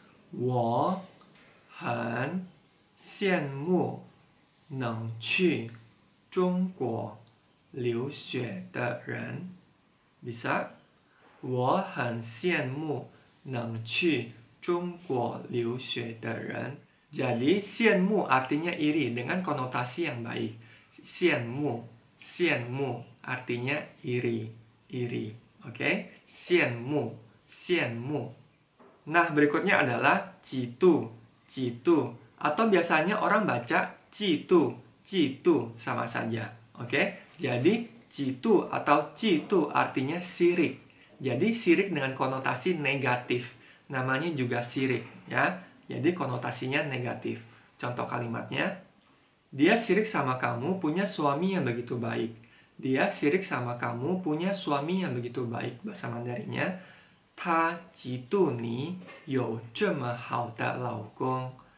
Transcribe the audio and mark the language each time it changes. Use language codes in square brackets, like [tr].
[zh] 我很羡慕能去中国留学的人。 [id] Bisa? [zh] 我很羡慕能去中国留学的人. [id] Jadi, 羡慕 artinya iri dengan konotasi yang baik. 羡慕, 羡慕 artinya iri, iri. Oke? Okay? 羡慕, 羡慕. Nah, berikutnya adalah 嫉妒, 嫉妒. Atau biasanya orang baca 嫉妒, 嫉妒 sama saja. Oke? Okay? Jadi, jitu atau jitu artinya sirik. Jadi sirik dengan konotasi negatif. Namanya juga sirik, ya. Jadi konotasinya negatif. Contoh kalimatnya, dia sirik sama kamu punya suami yang begitu baik. Dia sirik sama kamu punya suami yang begitu baik. Bahasa Mandarinnya, [zh] 她嫉妒你有这么好的老公.